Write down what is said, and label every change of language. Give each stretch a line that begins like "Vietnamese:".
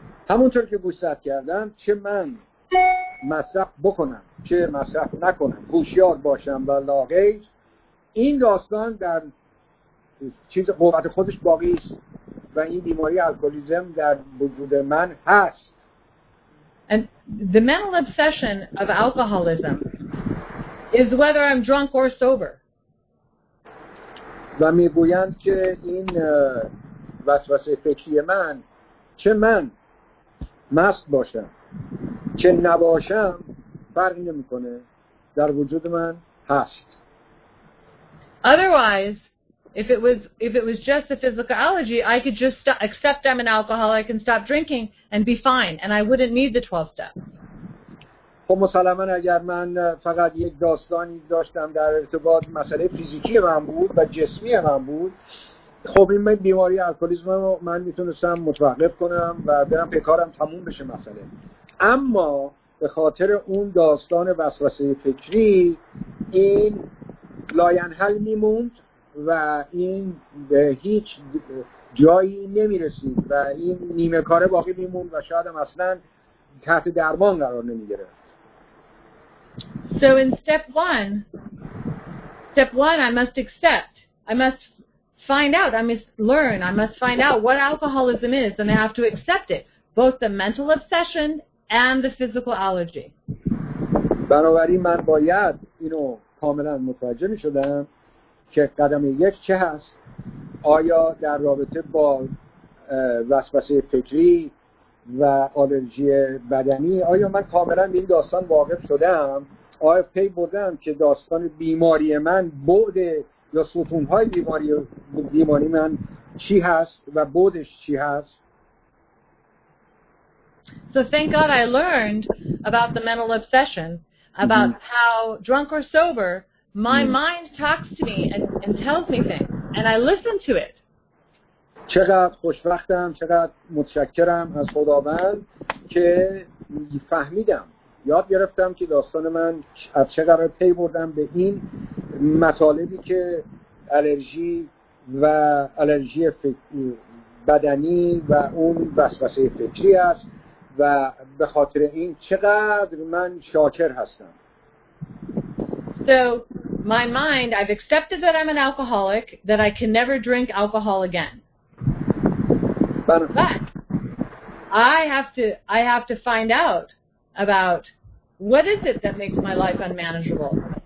Persian: همونطور که گوشزد کردم چه من مصرف بکنم چه مصرف نکنم هوشیار باشم و لاغیر این داستان در چیز قوت خودش باقی است و این بیماری الکلیزم در وجود من هست.
English: And the mental obsession of alcoholism is whether I'm drunk or sober.
Persian: و میگویند که این وسوسه فکری من چه من مست باشم چه نباشم فرقی نمی‌کنه در وجود من هست.
English: Otherwise, if it was just a physical allergy, I could just accept I'm an alcoholic and stop drinking and be fine, and I wouldn't need the 12 steps.
Persian: خب مسلماً اگر من فقط یک داستانی داشتم در ارتباط مسئله فیزیکی من بود و جسمی من بود، خب این بیماری الکلیسم من میتونستم متوقف کنم و برم به کارم تموم بشه مسئله. اما به خاطر اون داستان وسوسه فکری این لاینحل میموند و این به هیچ جایی نمیرسید و این نیمه کاره باقی میموند و شاید هم اصلا تحت درمان قرار نمیگرفت.
English: So in step one, I must find out what alcoholism is, and I have to accept it, both the mental obsession and the physical allergy.
Persian: بنابراین من باید اینو کاملا متوجه می شدم که قدم یک چه هست؟ آیا در رابطه با وسوسه فکری و آلرژی بدنی آیا من کاملا به این داستان واقف شدم؟ آیا پی بردم که داستان بیماری من بعد یا ستون‌های بیماری من چی هست و بعدش چی هست؟
English: So thank God I learned about the mental obsession, about how drunk or sober, my mind talks to me and tells me things, and I listen to it.
Persian: چقدر خوشبختم، چقدر متشکرم از خداوند که فهمیدم، یاد گرفتم که داستان من از چه قرار پی بردم به این مطالبی که الرژی و الرژی بدنی و اون وسوسه فکری است. و به خاطر این چقدر من شاکر هستم.
English: So my mind, I've accepted that I'm an alcoholic, that I can never drink alcohol again. But I have to find out about what is it that makes my life unmanageable.